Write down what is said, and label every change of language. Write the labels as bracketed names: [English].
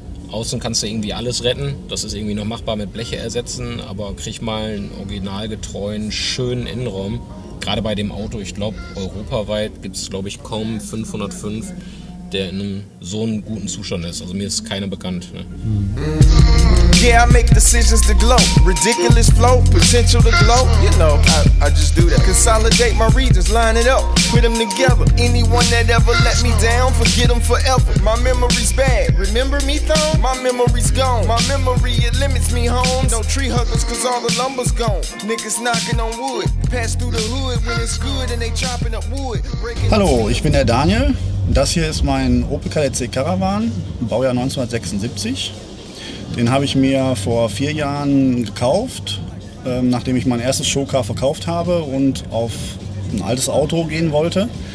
[German] Außen kannst du irgendwie alles retten, das ist irgendwie noch machbar mit Bleche ersetzen, aber krieg mal einen originalgetreuen, schönen Innenraum. Gerade bei dem Auto, ich glaube europaweit gibt es glaube ich kaum 505, der in so einem guten Zustand ist. Also mir ist keiner bekannt. Ne? [English] Yeah, I make decisions to glow. Ridiculous flow, potential to glow. You know, I just do that. Consolidate my regions, line it up, put them together. Anyone that ever let me down, forget them forever. My memory's bad, remember me though? My memory's gone. My memory, it limits me home. No tree huggers, cause all the lumber's gone. Niggas knocking on wood. Pass through the hood when it's good and they chopping up wood. [German] Hallo, ich bin der Daniel. Das hier ist mein Opel Kadett C Caravan, Baujahr 1976. Den habe ich mir vor 4 Jahren gekauft, nachdem ich mein erstes Showcar verkauft habe und auf ein altes Auto gehen wollte.